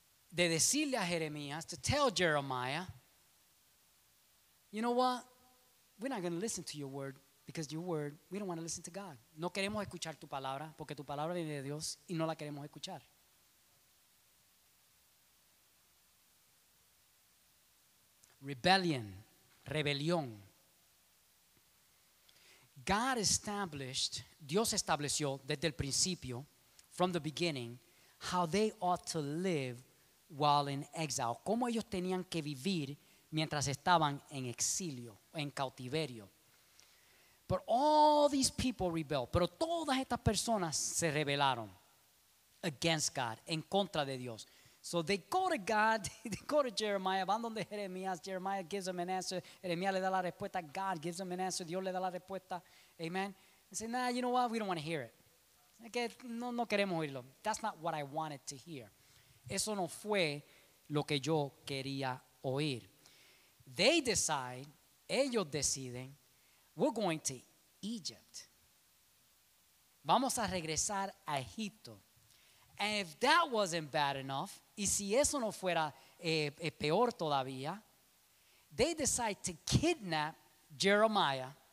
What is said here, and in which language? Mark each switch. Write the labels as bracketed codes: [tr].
[es] De decirle a Jeremías, [en] to tell Jeremiah, you know what, we're not going to listen to your word, because your word, we don't want to listen to God. [es] No queremos escuchar tu palabra, porque tu palabra viene de Dios y no la queremos escuchar. [en] Rebellion, [es] rebelión. [en] God established, [es] Dios estableció desde el principio, [en] from the beginning, how they ought to live while in exile. [es] Cómo ellos tenían que vivir mientras estaban en exilio, en cautiverio. [en] But all these people rebelled. [es] Pero todas estas personas se rebelaron [en] against God, [es] en contra de Dios. [en] So they go to God, they go to Jeremiah, [es] van donde Jeremías, [en] Jeremiah gives them an answer, [es] Jeremiah le da la respuesta, [en] God gives them an answer, [es] Dios le da la respuesta, [en] amen. They say, nah, you know what, we don't want to hear it. Okay, [es] no queremos oírlo. [en] That's not what I wanted to hear. [es] Eso no fue lo que yo quería oír. [en] They decide, [es] ellos deciden, [en] we're going to Egypt. [es] Vamos a regresar a Egipto. [en] And if that wasn't bad enough, [es] y si eso no fuera peor todavía, [en] they decide to kidnap Jeremiah.